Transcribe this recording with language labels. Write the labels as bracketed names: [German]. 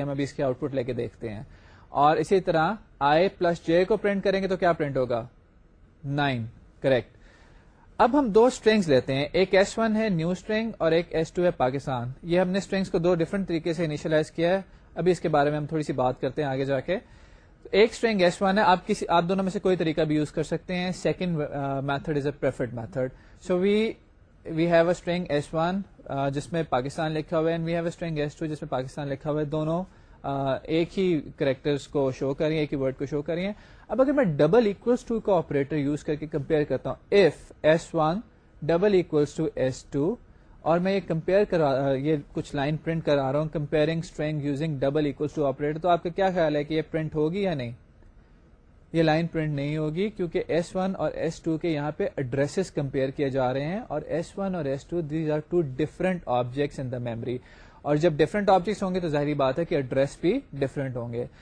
[Urdu] ہم ابھی اس کے آؤٹ پٹ لے کے دیکھتے ہیں. اور اسی طرح آئے پلس جے کو پرنٹ کریں گے تو کیا پرنٹ ہوگا, نائن, کریکٹ. اب ہم دو اسٹرنگس لیتے ہیں, ایک ایس ون ہے نیو اسٹرنگ اور ایک ایس ٹو ہے پاکستان. یہ ہم نے اسٹرنگس کو دو ڈفرنٹ طریقے سے انیشلائز کیا ہے, ابھی اس کے بارے میں ہم تھوڑی سی بات کرتے ہیں آگے جا کے. ایک اسٹرنگ ایس ون ہے, آپ کسی آپ دونوں میں سے کوئی طریقہ بھی یوز کر سکتے ہیں. [English] Second method is a preferred method. So we have a string S one [Urdu] جس میں پاکستان لکھا ہوا ہے, [English] And we have a string S two جس میں پاکستان لکھا ہوا ہے. [Urdu] دونوں ایک ہی کریکٹرز کو شو کریں, ایک ہی ورڈ کو شو کریں. اب اگر میں ڈبل ایکولس ٹو کا آپریٹر یوز کر کے کمپیئر کرتا ہوں, F S one double equals to S to, اور میں یہ کمپیئر کرا یہ کچھ لائن پرنٹ کرا رہا ہوں comparing string using double equals to operator, تو آپ کا کیا خیال ہے کہ یہ پرنٹ ہوگی یا نہیں؟ یہ لائن پرنٹ نہیں ہوگی کیونکہ ایس ون اور ایس ٹو کے یہاں پہ ایڈریسز کمپیئر کیے جا رہے ہیں, اور ایس ون اور S to [English] these are two different objects in the memory, [Urdu] اور جب ڈفرنٹ آبجیکٹس ہوں گے تو ظاہری بات ہے کہ ایڈریس بھی ڈفرنٹ ہوں گے.